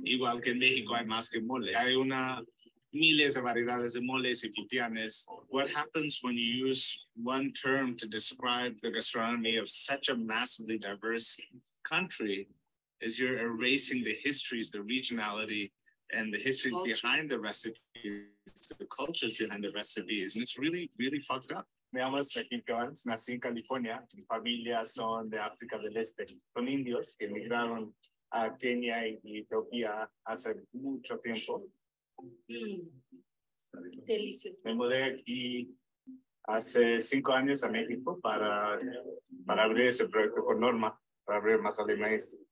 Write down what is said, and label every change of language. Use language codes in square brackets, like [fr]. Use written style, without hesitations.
[es] Igual que en México hay más que mole. Hay una miles de variedades de moles y pipianes. [en] What happens when you use one term to describe the gastronomy of such a massively diverse country is you're erasing the histories, the regionality, and the history behind the recipes, the cultures behind the recipes. And it's really, really fucked up. [es] Me llamo Saqib Keval, nací en California. Mi familia son de África del Este. Son indios que emigraron a Kenia y Etiopía hace mucho tiempo. Delicioso. Me mudé aquí hace 5 años a México para abrir ese proyecto con Norma, para abrir Masala y Maiz.